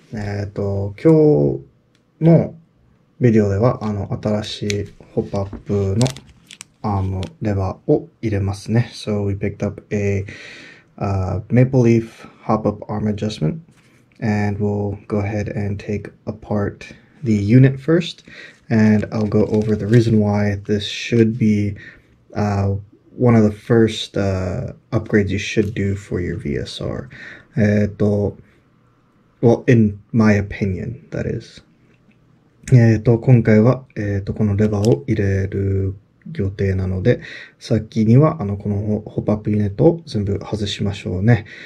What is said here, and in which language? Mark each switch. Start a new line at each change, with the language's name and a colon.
Japanese: 今日のビデオでは、新しいホップアップのアームレバーを入れますね。
English: So we picked up a, Maple Leaf hop-up arm adjustment, and we'll go ahead and take apart the unit first. And I'll go over the reason why this should be one of the first upgrades you should do for your VSR. Well, in my opinion, that is.
Japanese: 今回は、このレバーを入れる予定なので、先にはこのホップアップユニットを全部外しましょうね。